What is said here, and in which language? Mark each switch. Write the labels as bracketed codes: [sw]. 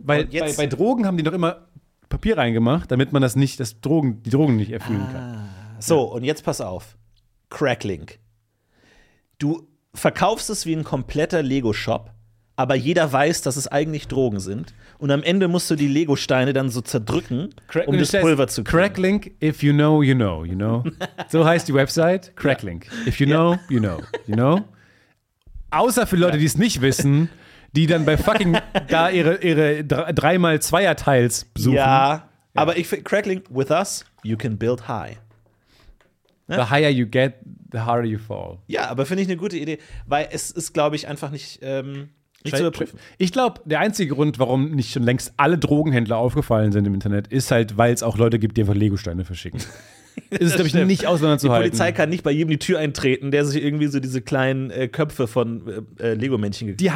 [de] weil bei Drogen haben die noch immer Papier reingemacht, damit man die Drogen nicht erfüllen kann. So, ja. Und jetzt pass auf. Cracklink. Du verkaufst es wie ein kompletter Lego-Shop, aber jeder weiß, dass es eigentlich Drogen sind. Und am Ende musst du die Lego-Steine dann so zerdrücken, um das Pulver zu kriegen. [en] Cracklink, if you know, you know, you know. [de] So heißt die Website, Cracklink. Ja. [en] If you know, you know, you know. [de] Außer für Leute, die es nicht wissen, die dann bei fucking da ihre 3x2er-Teils suchen. Ja, aber ich finde, [en] Cracklink, with us, you can build high. The higher you get, the harder you fall. [de] Ja, aber finde ich eine gute Idee, weil es ist, glaube ich, einfach nicht nicht zu überprüfen. Ich glaube, der einzige Grund, warum nicht schon längst alle Drogenhändler aufgefallen sind im Internet, ist halt, weil es auch Leute gibt, die einfach Lego-Steine verschicken. Das ist, glaube ich, nicht auseinanderzuhalten. Die Polizei kann nicht bei jedem die Tür eintreten, der sich irgendwie so diese kleinen Köpfe von Lego-Männchen gekauft hat.